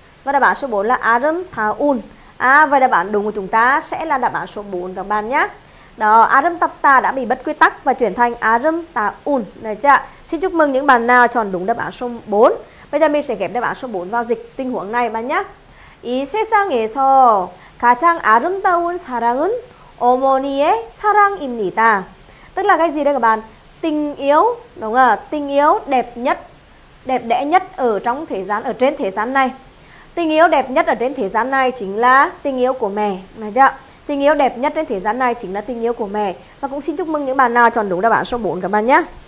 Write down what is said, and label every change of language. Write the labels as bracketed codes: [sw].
[vi] Và đáp án số 4 là arum thaun. Và đáp án đúng của chúng ta sẽ là đáp án số 4 các bạn nhé. Đó, arum tappta đã bị bất quy tắc và chuyển thành arum taun. Được chưa? Xin chúc mừng những bạn nào chọn đúng đáp án số 4. Bây giờ mình sẽ ghép đáp án số 4 vào dịch tình huống này bạn nhé. [ko] 이 세상에서 가장 아름다운 사랑은 어머니의 사랑입니다. [vi] Tức là cái gì đây các bạn? Tình yêu, đúng không ạ? Tình yêu đẹp nhất, đẹp đẽ nhất ở trong thế gian, ở trên thế gian này. Tình yêu đẹp nhất ở trên thế gian này chính là tình yêu của mẹ, được chưa? Tình yêu đẹp nhất trên thế gian này chính là tình yêu của mẹ. Và cũng xin chúc mừng những bạn nào chọn đúng đáp án số 4 các bạn nhé.